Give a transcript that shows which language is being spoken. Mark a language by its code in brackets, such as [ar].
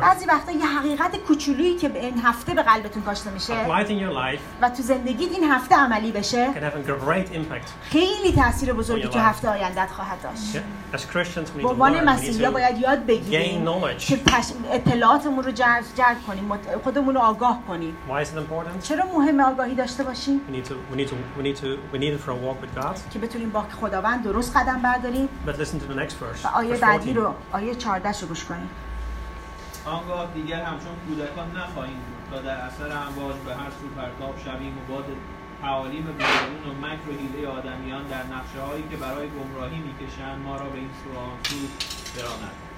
[fa] بعضی وقتا یه حقیقت کوچولویی که این هفته به قلبتون کاشته میشه و تو زندگیت این هفته عملی بشه خیلی تأثیر بزرگی تو هفته آیندت خواهد داشت. به عنوان مسیحی‌ها باید یاد بگیریم که اطلاعاتمون رو جذب کنیم، خودمون رو آگاه کنیم. [en] Why is it important? [fa] چرا مهم آگاهی داشته باشیم؟ [en] We need it for a walk with God. [fa] که بتونیم با خداوند درست قدم برداریم. [en] But listen to the next verse. [fa] و آیه بعدی رو، آیه 14 رو گوش کنیم. آنگاه دیگر همچون کودکان نخواهیم بود تا در اثر امواج به هر سو پرتاب شویم و باد تعالیم بیرون و مکر و حیله آدمیان در نقشه‌هایی که برای گمراهی می‌کشند ما را به این سو آن سو براند.